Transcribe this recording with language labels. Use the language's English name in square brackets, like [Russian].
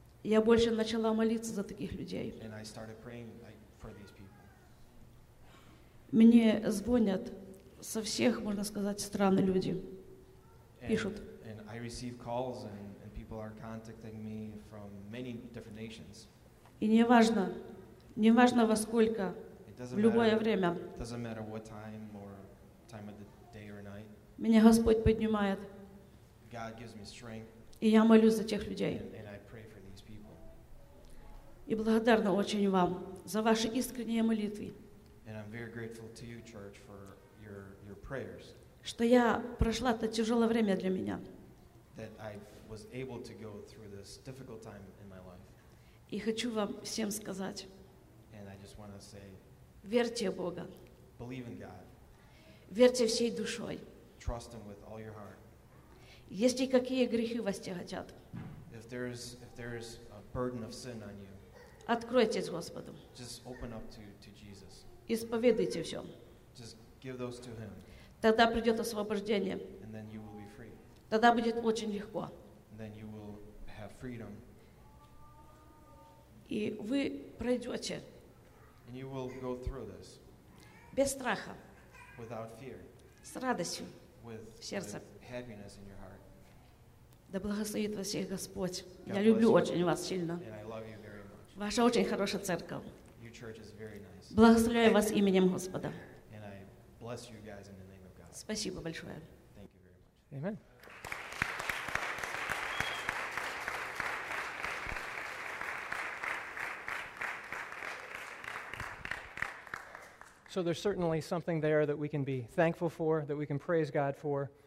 [Russian] Я больше начала молиться за таких людей. [English] And I started praying for these people. [Russian] Мне звонят со всех, можно сказать, стран люди. Пишут. [English] And I receive calls and people are contacting me from many different nations. [Russian] И неважно, неважно во сколько. [English] It [Russian] в любое время. [English] Doesn't matter what time or time of the day or night. [Russian] Меня Господь поднимает. [English] God gives me strength. [Russian] И я молюсь за тех людей. [English] And I pray for these people. [Russian] И благодарна очень вам за ваши искренние молитвы. [English] And I'm very grateful to you, church, for your prayers. [Russian] Что я прошла это тяжелое время для меня. [English] That I was able to go through this difficult time in my life. [Russian] И хочу вам всем сказать. [English] And I just want to say. [Russian] Верьте в Бога. [English] Believe in God. [Russian] Верьте всей душой. [English] Trust Him with all your heart. [Russian] Если какие грехи вас тяготят. [English] If there's a burden of sin on you. [Russian] Откройтесь Господу. [English] Just open up to Jesus. [Russian] Исповедуйте все. [English] Just give those to Him. [Russian] Тогда придет освобождение. [English] And then you will be free. [Russian] Тогда будет очень легко. [English] And then you will have freedom. [Russian] И вы пройдете. [English] And you will go through this. [Russian] Без страха. [English] Without fear. [Russian] С радостью. [English] With happiness in your heart. [Russian] Да благословит вас всех Господь. Я люблю очень вас сильно. [English] And I love you very much. [Russian] Ваша очень хорошая церковь. [English] Your church is very nice. [Russian] Благословляю вас именем Господа. [English] And I bless you guys in the name of God. [Russian] Спасибо большое. [English] Thank you very much. Amen. So there's certainly something there that we can be thankful for, that we can praise God for.